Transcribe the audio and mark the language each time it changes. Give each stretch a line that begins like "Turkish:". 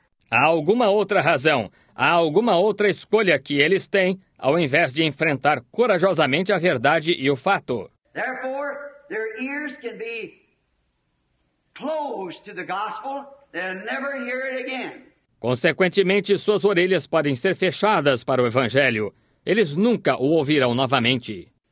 Portuguese: Há alguma outra razão, há alguma outra escolha que eles têm ao invés de enfrentar corajosamente a verdade e o fato.
English: Therefore, their ears can be closed to the gospel, they'll never hear it again.
Portuguese: Consequentemente, suas orelhas podem ser fechadas para o evangelho. Eles nunca o ouvirão novamente.